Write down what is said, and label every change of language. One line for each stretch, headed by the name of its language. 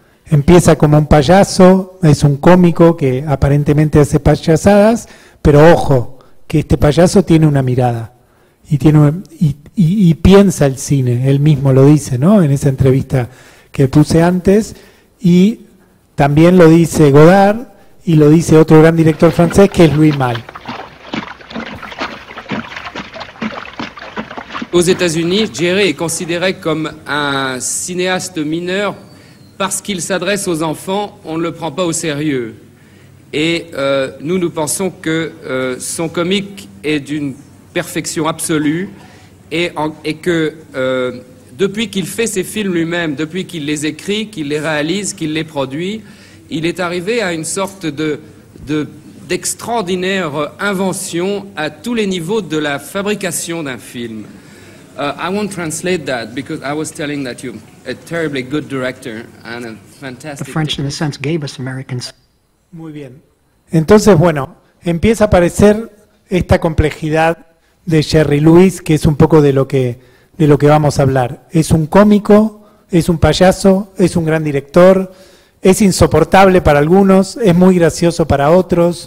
Spanish: Empieza como un payaso, es un cómico que aparentemente hace payasadas, pero ojo, que este payaso tiene una mirada y piensa el cine, él mismo lo dice, ¿no? En esa entrevista que puse antes, y también lo dice Godard y lo dice otro gran director francés que es Louis Malle.
French: Aux États-Unis, Jerry est considéré comme un cinéaste mineur parce qu'il s'adresse aux enfants, on ne le prend pas au sérieux. Et nous pensons que son comique est d'une perfection absolue et que depuis qu'il fait ses films lui-même, depuis qu'il les écrit, qu'il les réalise, qu'il les produit, il est arrivé à une sorte d'extraordinaire invention à tous les niveaux de la fabrication d'un film.
English: I won't translate that because I was telling that you're a terribly good director and a fantastic. The French, in a sense, gave us Americans.
Spanish: Muy bien. Entonces, bueno, empieza a aparecer esta complejidad de Jerry Lewis, que es un poco de lo que vamos a hablar. Es un cómico, es un payaso, es un gran director, es insoportable para algunos, es muy gracioso para otros.